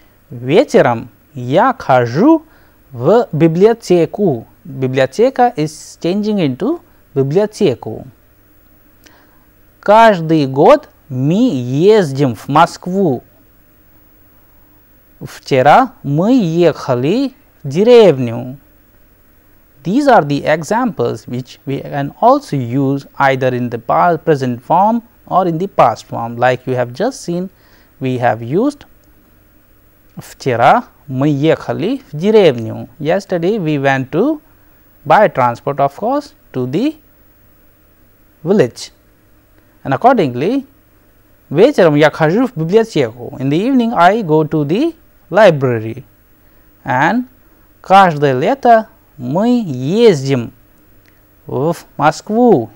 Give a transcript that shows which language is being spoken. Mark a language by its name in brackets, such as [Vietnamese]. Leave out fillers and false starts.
[Russian] Вечером я хожу в библиотеку. [English] Библиотека is changing into библиотеку. [Russian] Каждый год мы ездим в Москву. Вчера мы ехали в деревню. [English] These are the examples which we can also use either in the past present form or in the past form. Like you have just seen, we have used [Russian] вчера мы ехали в деревню. [English] Yesterday we went to by transport, of course, to the village. And accordingly, [Russian] вечером я хожу в библиотеку. [English] In the evening, I go to the library. [Russian] And каждое лето мы ездим в Москву.